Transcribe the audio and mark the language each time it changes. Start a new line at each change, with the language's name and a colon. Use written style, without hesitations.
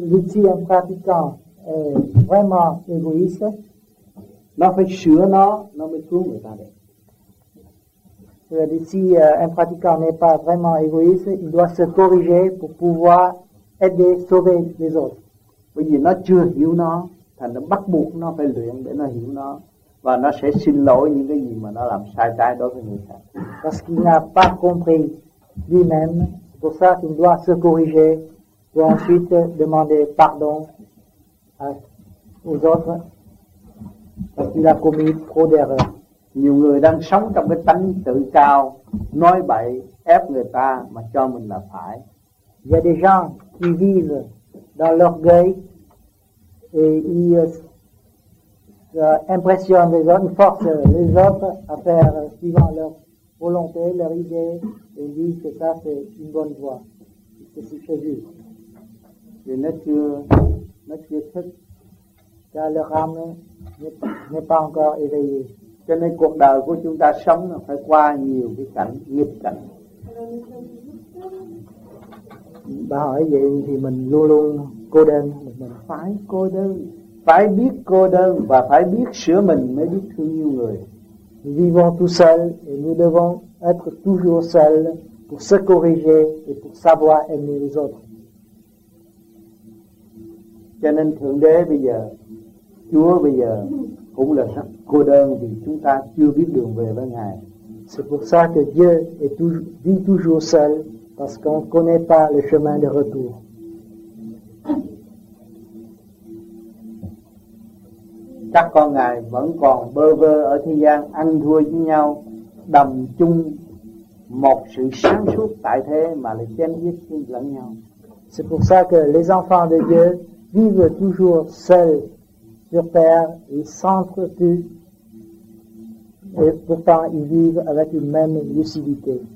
French: Si un pratiquant est vraiment égoïste,
Vietnamese: nó phải sửa nó mới cứu người ta được.
French: Si un pratiquant n'est pas vraiment égoïste, il doit se corriger pour pouvoir aider, sauver les autres.
Vietnamese: Bởi vì nó chưa hiểu nó, thành nó bắt buộc nó phải luyện để nó hiểu nó, và nó sẽ xin lỗi những cái gì mà nó làm sai trái đối với người khác.
French: Parce qu'il n'a pas compris lui-même, pour ça qu'il doit se corriger, pour ensuite demander pardon aux autres, parce qu'il a commis trop d'erreurs.
Vietnamese: Nhiều người đang sống trong cái tánh tự cao, nói bậy, ép người ta mà cho mình là phải.
French: Il y a des gens qui vivent dans l'orgueil et ils impressionnent les autres, ils forcent les autres à faire suivant leur volonté, leur idée, et ils disent que ça c'est une bonne voie, que c'est juste. Et notre thích, car leur âme n'est pas encore éveillée.
Vietnamese: Cho nên cuộc đời của chúng ta sống phải qua nhiều cái cảnh, nghiệp cảnh. Bà hỏi vậy thì mình luôn luôn cô đơn. Mình phải cô đơn, phải biết cô đơn và phải biết sửa mình mới biết thương yêu người.
French: Vivons tout seul et nous devons être toujours seul pour se corriger et pour savoir aimer les autres.
Vietnamese: Cho nên Thượng Đế bây giờ, Chúa bây giờ cũng là sắc cô đơn vì chúng ta chưa biết đường về với Ngài.
French: C'est pour ça que Dieu est vit toujours seul parce qu'on ne connaît pas le chemin de retour.
Vietnamese: các con ngài vẫn còn bơ vơ ở thế gian, ăn thua với nhau, đầm chung một sự sáng suốt tại thế mà lại chém giết lẫn nhau.
French: C'est pour ça que les enfants de Dieu vivent toujours seuls sur terre, ils s'entretuent, et pourtant ils vivent avec une même lucidité.